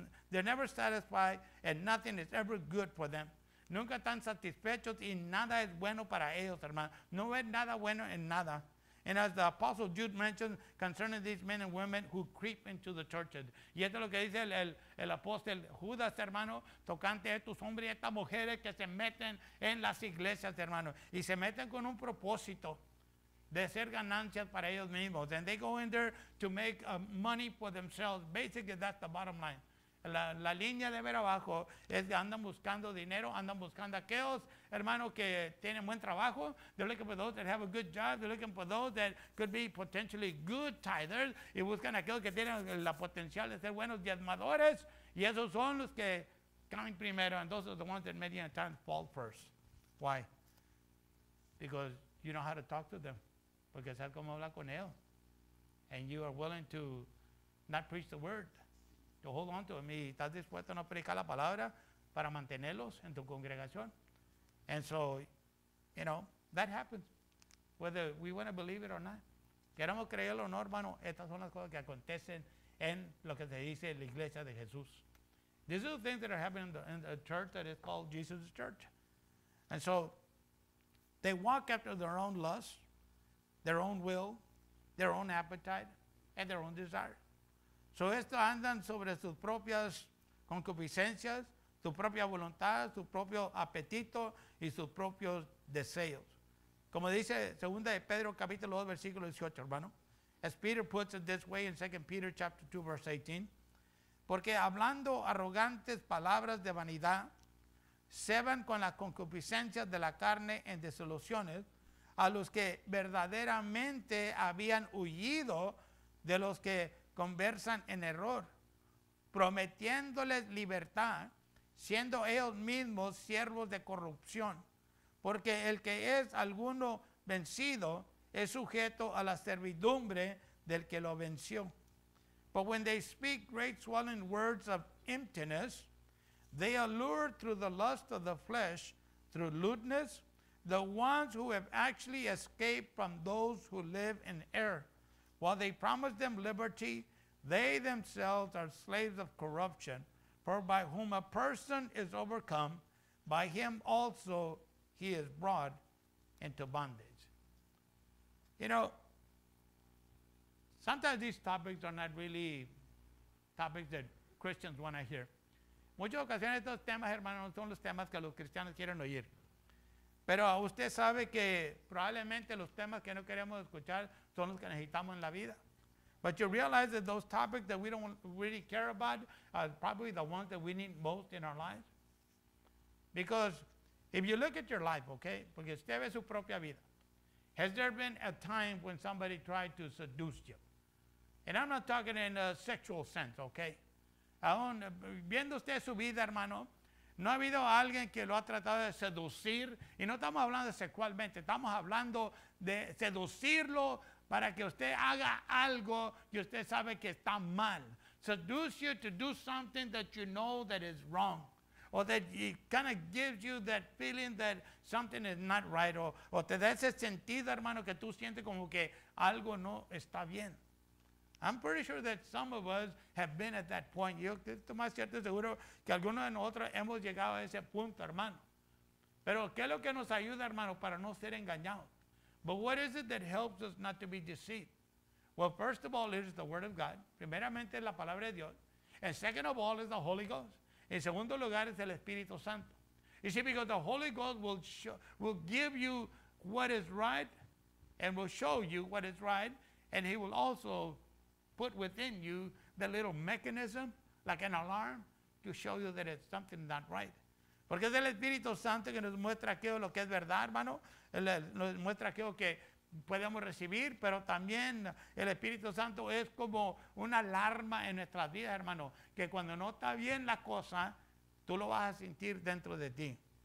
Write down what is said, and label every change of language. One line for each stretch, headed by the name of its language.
English: They're never satisfied and nothing is ever good for them.
Spanish: Nunca están satisfechos y nada es bueno para ellos, hermano. No es nada bueno en nada.
English: And as the Apostle Jude mentioned concerning these men and women who creep into the churches.
Spanish: Y esto es lo que dice el apóstol Judas, hermano, tocante a estos hombres y estas mujeres que se meten en las iglesias, hermano. Y se meten con un propósito de ser ganancias para ellos mismos.
English: And they go in there to make money for themselves. Basically, that's the bottom line.
Spanish: La línea de ver abajo es que andan buscando dinero, andan buscando aquellos hermanos que tienen buen trabajo.
English: They're looking for those that have a good job. They're looking for those that could be potentially good tithers.
Spanish: Y buscan aquellos que tienen la potencial de ser buenos diezmadores. Y esos son los que caen primero.
English: And those are the ones that many times fall first. Why? Because you know how to talk to them.
Spanish: Porque sabes cómo hablar con ellos.
English: And you are willing to not preach the word. To hold on to them.
Spanish: ¿Estás dispuesto a no predicar la palabra para mantenerlos en tu congregación?
English: And so, you know, that happens, whether we want to believe it or not.
Spanish: Queremos creerlo o no, hermano, estas son las cosas que acontecen en lo que se dice la iglesia de Jesús.
English: These are the things that are happening in the church that is called Jesus' church. And so, they walk after their own lust, their own will, their own appetite, and their own desire.
Spanish: So, estos andan sobre sus propias concupiscencias, su propia voluntad, su propio apetito y sus propios deseos. Como dice 2 de Pedro, capítulo 2, versículo 18, hermano.
English: As Peter puts it this way in 2 Peter, chapter 2, verse 18.
Spanish: Porque hablando arrogantes palabras de vanidad, se van con las concupiscencias de la carne en desilusiones a los que verdaderamente habían huido de los que conversan en error, prometiéndoles libertad, siendo ellos mismos siervos de corrupción. Porque el que es alguno vencido es sujeto a la servidumbre del que lo venció.
English: But when they speak great swelling words of emptiness, they allure through the lust of the flesh, through lewdness, the ones who have actually escaped from those who live in error. While they promise them liberty, they themselves are slaves of corruption, for by whom a person is overcome, by him also he is brought into bondage. You know, sometimes these topics are not really topics that Christians want to hear.
Spanish: Muchas ocasiones estos temas, hermanos, no son los temas que los cristianos quieren oír. Pero usted sabe que probablemente los temas que no queremos escuchar son los que necesitamos en la vida.
English: But you realize that those topics that we don't really care about are probably the ones that we need most in our lives. Because if you look at your life, okay,
Spanish: porque usted ve su propia vida,
English: has there been a time when somebody tried to seduce you? And I'm not talking in a sexual sense, okay?
Spanish: Aún viendo usted su vida, hermano, no ha habido alguien que lo ha tratado de seducir, y no estamos hablando sexualmente, estamos hablando de seducirlo para que usted haga algo que usted sabe que está mal.
English: seduce you to do something that you know that is wrong, or that it kind of gives you that feeling that something is not right, or
Spanish: te da ese sentido, hermano, que tú sientes como que algo no está bien.
English: I'm pretty sure that some of us have been at that point.
Spanish: Yo estoy más cierto, seguro, que algunos de nosotros hemos llegado a ese punto, hermano. Pero ¿qué es lo que nos ayuda, hermano, para no ser engañados?
English: But what is it that helps us not to be deceived? Well, first of all, it is the Word of God.
Spanish: Primeramente, la Palabra de Dios.
English: And second of all, is the Holy Ghost.
Spanish: En segundo lugar, es el Espíritu Santo.
English: You see, because the Holy Ghost will give you what is right and will show you what is right, and he will also put within you the little mechanism, like an alarm, to show you that it's something not right.
Spanish: Porque es el Espíritu Santo que nos muestra aquello lo que es verdad, hermano. Nos muestra aquello que podemos recibir, pero también el Espíritu Santo es como una alarma en nuestras vidas, hermano, que cuando no está bien la cosa, tú lo vas a sentir dentro de ti.